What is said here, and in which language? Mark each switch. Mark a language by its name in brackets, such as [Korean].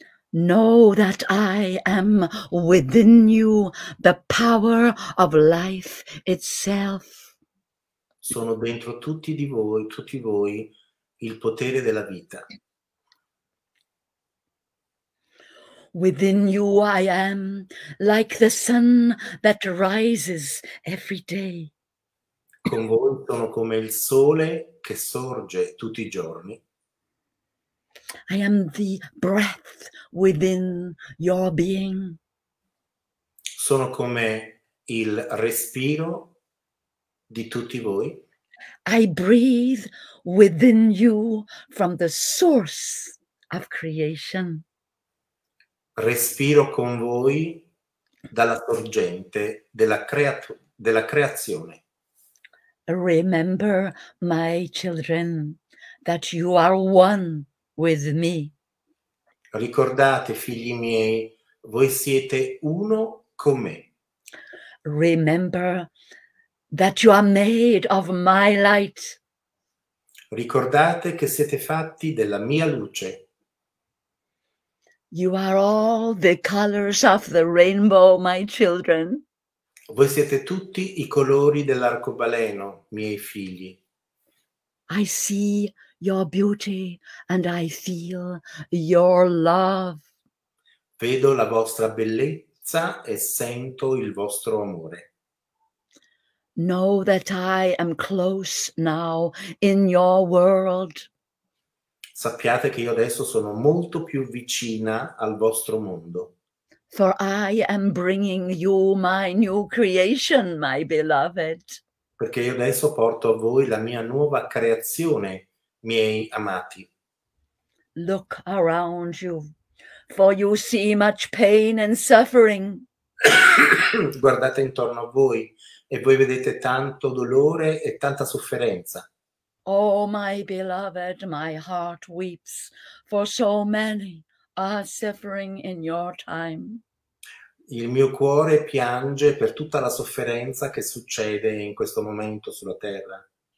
[English] Know that I am within you, the power of life itself. [Italian] Sono dentro tutti voi, il potere della vita. [English] Within you I am, like the sun that rises every day. [Italian] Con voi sono come il sole che sorge tutti i giorni. [English] I am the breath within your being. [Italian] Sono come il respiro di tutti voi. [English] I breathe within you from the source of creation. [Italian] Respiro con voi dalla sorgente della creazione. [English] Remember, my children, that you are one with me. [Italian] Ricordate, figli miei, voi siete uno con me. [English] Remember that you are made of my light. [Italian] Ricordate che siete fatti della mia luce. [English] You are all the colors of the rainbow, my children. [Italian] Voi siete tutti i colori dell'arcobaleno, miei figli. [English] I see your beauty and I feel your love. [Italian] Vedo la vostra bellezza e sento il vostro amore. [English] Know that I am close now in your world. [Italian] Sappiate che io adesso sono molto più vicina al vostro mondo. [English] For I am bringing you my new creation, my beloved. [Italian] Perché io adesso porto a voi la mia nuova creazione, miei amati. [English] Look around you, for you see much pain and suffering. [Italian] Guardate intorno a voi e voi vedete tanto dolore e tanta sofferenza. [English] Oh, my beloved, my heart weeps, for so many are suffering in your time. [Italian] Il mio cuore piange per tutta la sofferenza che succede in questo momento sulla terra.